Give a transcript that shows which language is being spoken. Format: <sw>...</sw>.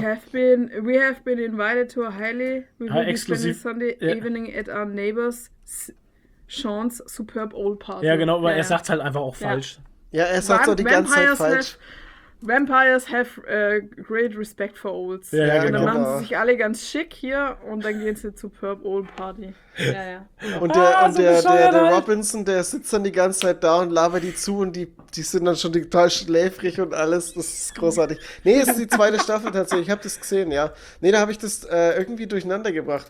<en>We have been invited to a highly exclusive Sunday evening at our neighbor's Sean's Superb Old Party.</en> <de>Ja, genau, weil er sagt es halt einfach auch falsch. Ja, er sagt so die ganze Zeit falsch.</de> <en>Vampires have great respect for olds.</en> <de>Ja, genau. Und dann machen sie sich alle ganz schick hier und dann gehen sie zur Purp Old Party. Ja, ja. Und der Robinson, der sitzt dann die ganze Zeit da und labert die zu und die sind dann schon total schläfrig und alles. Das ist großartig. Nee, es ist die zweite Staffel tatsächlich. Ich habe das gesehen, ja. Nee, da habe ich das irgendwie durcheinander gebracht.</de>